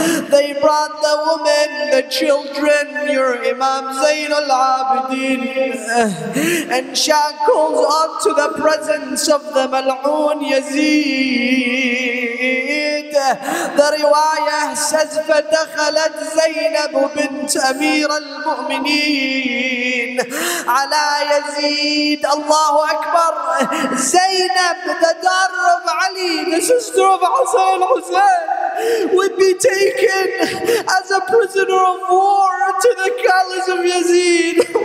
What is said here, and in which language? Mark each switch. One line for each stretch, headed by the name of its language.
English: They brought the women, the children, your Imam Zayn al-Abideen, and shackles onto the presence of the Mal'un Yazid. The riwayah says,
Arabic: فَدَخَلَتْ زَيْنَبُ بِنْتْ أَمِيرَ الْمُؤْمِنِينَ عَلَى يَزِيد.
English: Allahu Akbar, Zaynab, the daughter of Ali, the sister of Husayn al-Husayn, would be taken as a prisoner of war to the palace of Yazid.